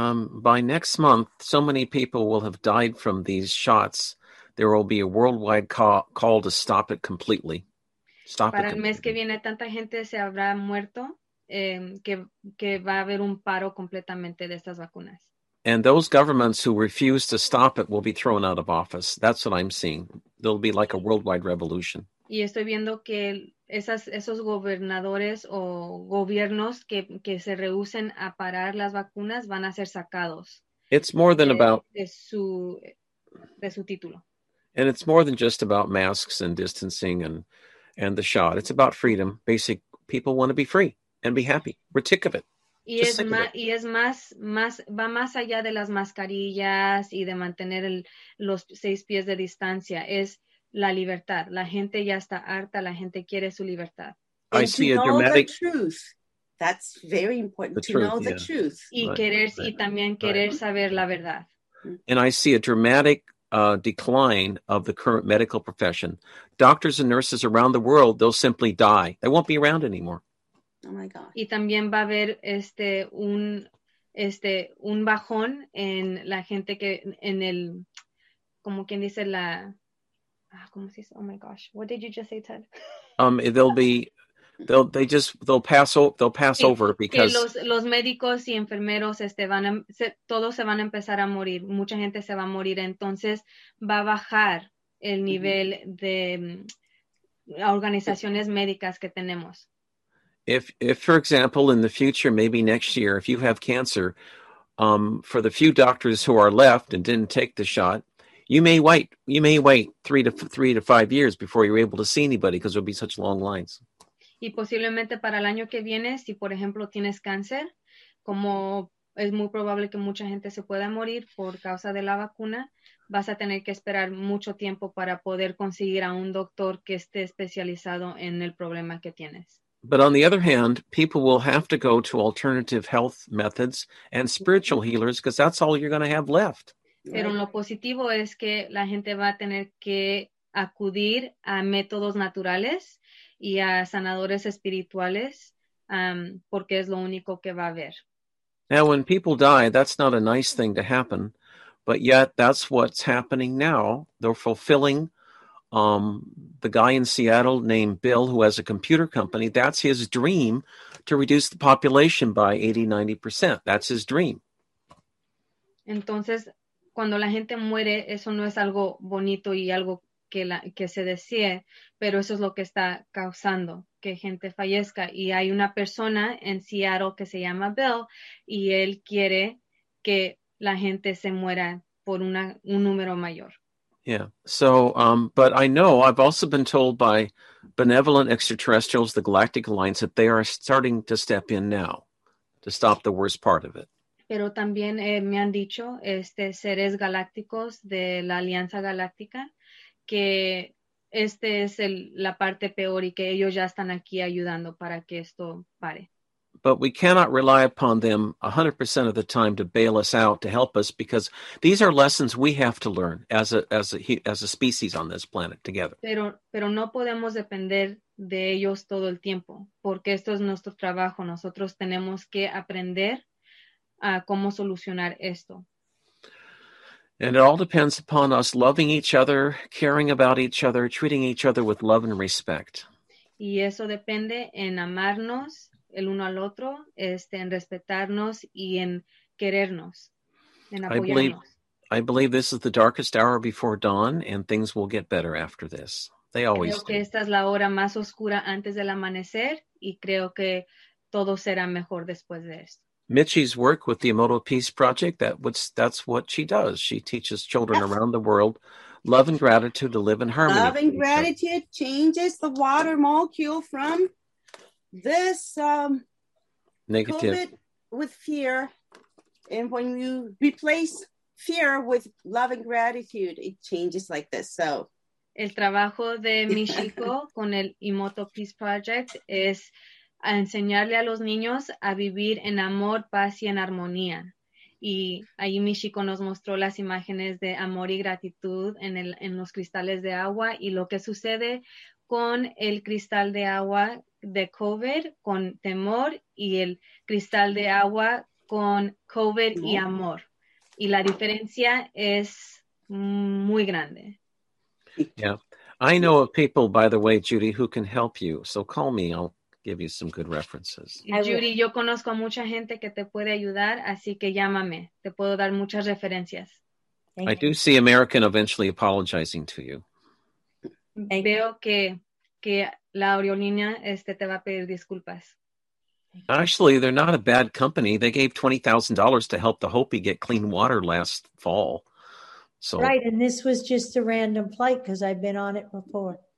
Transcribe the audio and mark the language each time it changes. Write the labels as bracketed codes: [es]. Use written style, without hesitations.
[en] By next month, so many people will have died from these shots. There will be a worldwide call to stop it completely. Stop [es] Para el mes que viene, tanta gente se habrá muerto que va a haber un paro completamente de estas vacunas. [en] And those governments who refuse to stop it will be thrown out of office. That's what I'm seeing. There'll be like a worldwide revolution. [es] Y estoy viendo que esos gobernadores o gobiernos que se rehúsen a parar las vacunas van a ser sacados. [en] It's more than about [es] de su título. [en] And it's more than just about masks and distancing and the shot. It's about freedom. Basic people want to be free and be happy. We're tick of it. [es] Y es más va más allá de las mascarillas y de mantener los 6 pies de distancia. Es la libertad. La gente ya está harta. La gente quiere su libertad. [en] I see a dramatic truth. That's very important to know the truth. [es] Y querer y también querer saber la verdad. [en] And I see a dramatic decline of the current medical profession. Doctors and nurses around the world, they'll simply die. They won't be around anymore. Oh my God. [es] Y también va a haber un bajón en la gente que en el como quien dice la ¿cómo se dice? [en] Oh my gosh, what did you just say, Ted? They'll pass over because [es] los médicos y enfermeros todos se van a empezar a morir, mucha gente se va a morir, entonces va a bajar el nivel de organizaciones médicas que tenemos. [en] If for example, in the future, maybe next year, if you have cancer, for the few doctors who are left and didn't take the shot, you may wait 3 to 5 years before you're able to see anybody because there'll be such long lines. [es] Y posiblemente para el año que viene, si por ejemplo tienes cáncer, como es muy probable que mucha gente se pueda morir por causa de la vacuna, vas a tener que esperar mucho tiempo para poder conseguir a un doctor que esté especializado en el problema que tienes. [en] But on the other hand, people will have to go to alternative health methods and spiritual healers because that's all you're going to have left. [es] Pero lo positivo es que la gente va a tener que acudir a métodos naturales y a sanadores espirituales porque es lo único que va a haber. [en] Now, when people die, that's not a nice thing to happen, but yet that's what's happening now. They're fulfilling the guy in Seattle named Bill, who has a computer company, that's his dream to reduce the population by 80-90%. That's his dream. [es] Entonces, cuando la gente muere, eso no es algo bonito y algo que se desee, pero eso es lo que está causando que gente fallezca. Y hay una persona en Seattle que se llama Bill, y él quiere que la gente se muera por un número mayor. [en] Yeah, so, but I know, I've also been told by benevolent extraterrestrials, the Galactic Alliance, that they are starting to step in now to stop the worst part of it. [es] Pero también me han dicho seres galácticos de la Alianza Galáctica que este es la parte peor y que ellos ya están aquí ayudando para que esto pare. [en] But we cannot rely upon them 100% of the time to bail us out, to help us, because these are lessons we have to learn as a species on this planet together. [es] Pero no podemos depender de ellos todo el tiempo, porque esto es nuestro trabajo. Nosotros tenemos que aprender a cómo solucionar esto. [en] And it all depends upon us loving each other, caring about each other, treating each other with love and respect. [es] Y eso depende en amarnos el uno al otro, en respetarnos y en querernos, en apoyarnos. [en] I believe this is the darkest hour before dawn, and things will get better after this. They always do. [es] Creo que esta es la hora más oscura antes del amanecer, y creo que todo será mejor después de esto. [en] Michi's work with the Emoto Peace Project, that's what she does. She teaches children around the world love and gratitude to live in harmony. Love and gratitude changes the water molecule from this negative COVID with fear, and when you replace fear with love and gratitude, it changes like this. So [es] el trabajo de Michiko con el Emoto Peace Project es a enseñarle a los niños a vivir en amor, paz y en armonía. Y ahí Michiko nos mostró las imágenes de amor y gratitud en los cristales de agua y lo que sucede con el cristal de agua de COVID, con temor, y el cristal de agua con COVID y amor. Y la diferencia es muy grande. [en] Yeah. I know of people, by the way, Judy, who can help you. So call me. I'll give you some good references. [es] Judy, yo conozco a mucha gente que te puede ayudar, así que llámame. Te puedo dar muchas referencias. [en] I do see American eventually apologizing to you. [es] Veo que la aerolínea te va a pedir disculpas. [en] Actually, they're not a bad company. They gave $20,000 to help the Hopi get clean water last fall. So, right, and this was just a random flight because I've been on it before.